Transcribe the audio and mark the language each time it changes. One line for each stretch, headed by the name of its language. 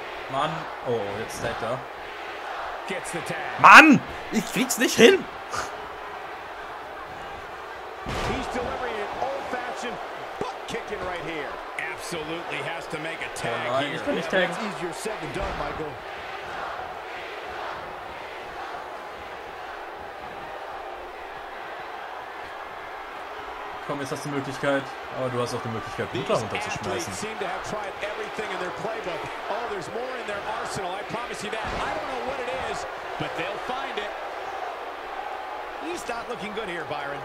German: Mann, oh, jetzt ist er da. Mann, ich krieg's nicht hin.
English: He's delivering an old-fashioned butt kicking right here. Absolutely has to make a tag.
German: Oh nein, ich kann nicht taggen.
English: It's easier said than done, Michael.
German: Komm, jetzt hast du die Möglichkeit, aber du hast auch die Möglichkeit, Blutler runterzuschmeißen.
English: Seem to have tried everything in their playbook. Oh, there's more in their arsenal. I promise you that. I don't know what it is, but they'll find it. He's not looking good here, Byron.